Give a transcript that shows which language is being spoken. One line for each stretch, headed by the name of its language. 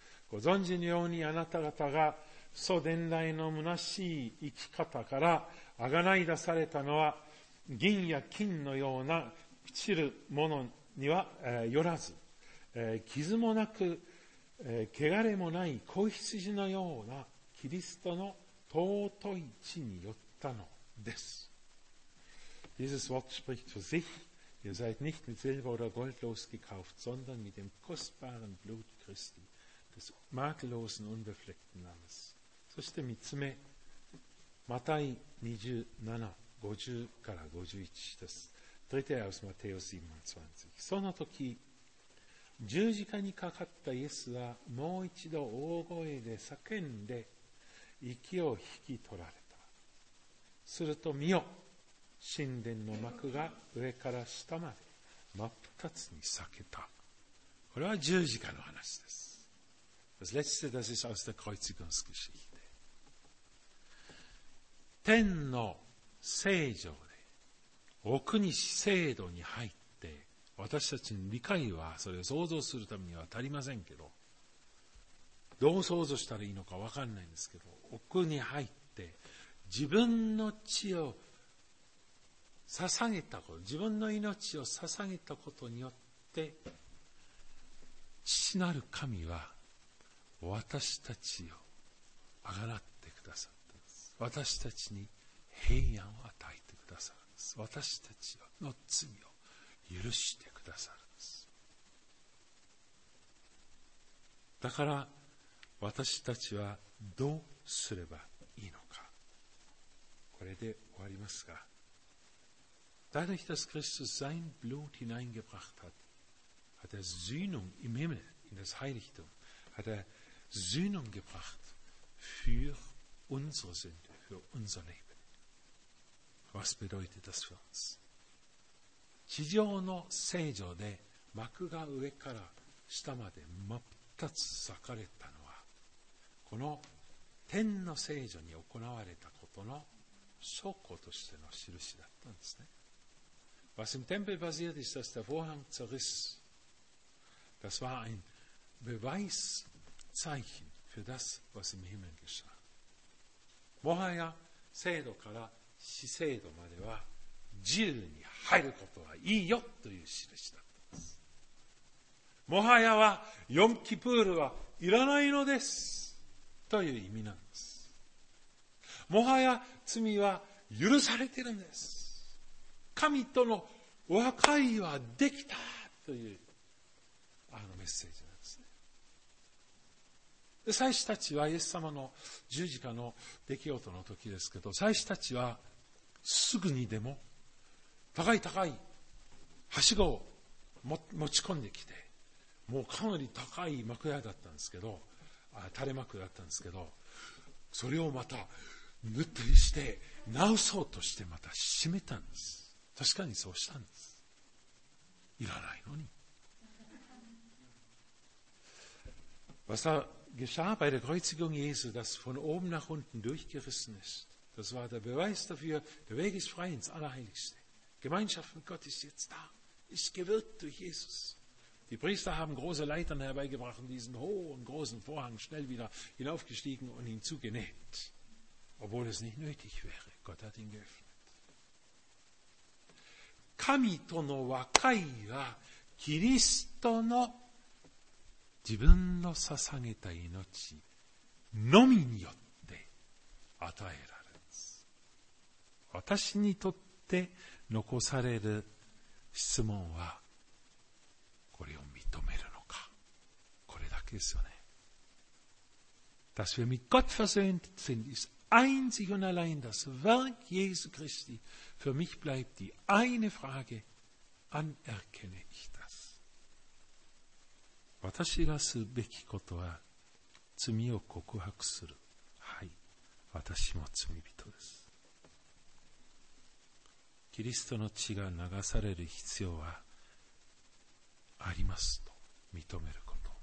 Japanese: ご存知のようにあなた方が祖伝来の虚しい生き方から贖い出されたのは銀や金のような朽ちるものには、よらず、傷もなく、汚れもない子羊のようなキリストの尊い血によったのです。
German: Dieses Wort spricht für sich. Ihr seid nicht mit Silber oder Gold losgekauft, sondern mit dem kostbaren Blut Christi, des makellosen, unbefleckten Lammes.
Japanese: そして3つ目、マタイ27:50-51です。
German: Dritte aus Matthäus 27.
Japanese: その時、十字架にかかったイエスはもう一度大声で叫んで息を引き取られた。すると見よ、神殿の幕が上から下まで真っ二つに裂けた。これは十字架の話です。
German: Das letzte, das ist aus der Kreuzigungsgeschichte.
Japanese: 天の聖城で奥に聖堂に入って、私たちの理解はそれを想像するためには足りませんけど、どう想像したらいいのか分からないんですけど、奥に入って自分の血を捧げたこと、自分の命を捧げたことによって父なる神は私たちをあがらってくださったんです。私たちに平安を与えてくださるんです。私たちの罪を許してくださるんです。だから私たちはどうすればいいのか、これで終わりますが、
German: Dadurch, dass Christus sein Blut hineingebracht hat, hat er Sühnung im Himmel, in das Heiligtum, hat er Sühnung gebracht für unsere Sünde, für unser Leben. Was bedeutet das für uns?
Japanese: 地上の聖所で幕が上から下まで真っ二つ裂かれたのは、この天の聖所に行われたことの証拠としての印だったんですね。
German: Was im Tempel passiert ist, dass der Vorhang zerriss, das war ein Beweiszeichen für das, was im Himmel geschah.
Japanese: もはや聖堂から至聖堂までは自由に入ることはいいよという印だったんです。もはやはヨンキプールはいらないのですという意味なんです。もはや罪は許されているんです。神との和解はできたというあのメッセージなんですね。で、祭司たちはイエス様の十字架の出来事の時ですけど、祭司たちはすぐにでも高い高いはしごを持ち込んできて、もうかなり高い幕屋だったんですけど、垂れ幕だったんですけど、それをまた塗ったりして直そうとしてまた締めたんです。確かにそうしたんです。いらないのに。
German: Was da geschah bei der Kreuzigung Jesu, das von oben nach unten durchgerissen ist, das war der Beweis dafür, der Weg ist frei ins Allerheiligste. Gemeinschaft mit Gott ist jetzt da, ist gewirkt durch Jesus. Die Priester haben große Leitern herbeigebracht und diesen hohen, großen Vorhang schnell wieder hinaufgestiegen und ihn zugenäht. Obwohl es nicht nötig wäre, Gott hat ihn geöffnet.
Japanese: 神との和解はキリストの自分の捧げた命のみによって与えられます。私にとって残される質問は、これを認めるのか、これだけですよね。
German: Dass wir mit Gott versöhnt sind, ist einzig und allein das Werk Jesu Christi. Für mich bleibt die eine Frage, anerkenne ich das?
Japanese: 私がすべきことは罪を告白する。はい、私も罪人です。キリストの血が流される必要はありますと認めること。